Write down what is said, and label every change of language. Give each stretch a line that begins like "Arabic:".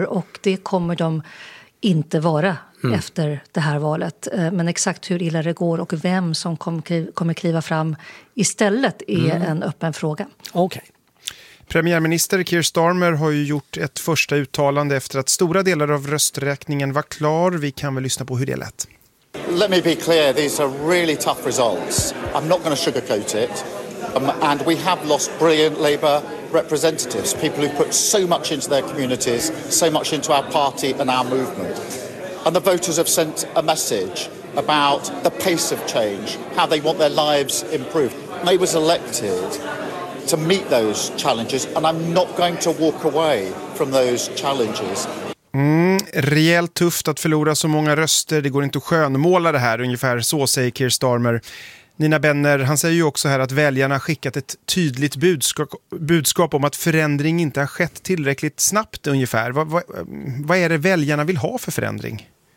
Swedish: Och det kommer de inte vara efter det här valet. Men exakt hur illa det går och vem som kommer kliva fram istället är en öppen fråga. Okay. Premiärminister Keir Starmer har ju gjort ett första uttalande efter att stora delar av rösträkningen var klar. Vi kan väl lyssna på hur det lät.
English: Let me be clear, these are really tough results. I'm not going to sugarcoat it. And we have lost brilliant Labour representatives, people who put so much into their communities, so much into our party and our movement. And the voters have sent a message about the pace of change, how they want their lives improved. They was elected to meet those challenges, and I'm not going to walk away from those challenges.
Swedish: Rejält tufft att förlora så många röster, det går inte att skönmåla det här, ungefär så säger Keir Starmer. Nina Benner, han säger ju också här att väljarna har skickat ett tydligt budskap om att förändring inte har skett tillräckligt snabbt ungefär. Vad är det väljarna vill ha för förändring?